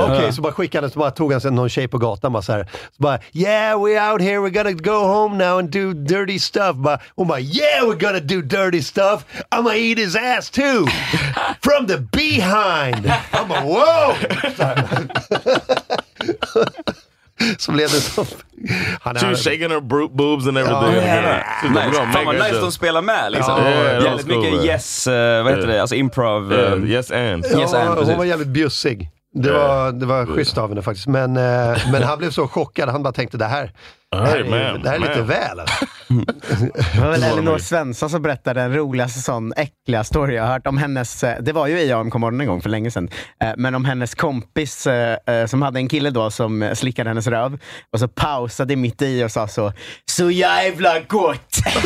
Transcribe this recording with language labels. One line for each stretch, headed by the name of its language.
Swedish: Bara, okay. Så bara skickade han, så bara tog han sig någon tjej på gatan. Bara så, här. Så bara,
English: yeah, we're out here. We're gonna go home now and do dirty stuff.
Swedish: Bara, hon bara,
English: yeah, we're gonna do dirty stuff. I'm gonna eat his ass too. From the behind. I'm like, whoa!
Swedish: Så blev det så.
English: Han she was shaking her boobs and everything.
Swedish: Yeah. Yeah. Nice. Fan vad nice de spelar med. Liksom. Yeah, yeah, jävligt cool, mycket man. Yes, vad heter det? Alltså improv.
English: Yes and. Yes and
Swedish: hon var jävligt bjussig. Det var schysst av henne faktiskt. Men han blev så chockad. Han bara tänkte, det här är lite väl. Det var väl Elinor Svensson som berättade den roligaste sån äckliga story jag hört om hennes, det var ju i AMK-morgon en gång för länge sedan, men om hennes kompis som hade en kille då som slickade hennes röv och så pausade mitt i och sa så jävla gott.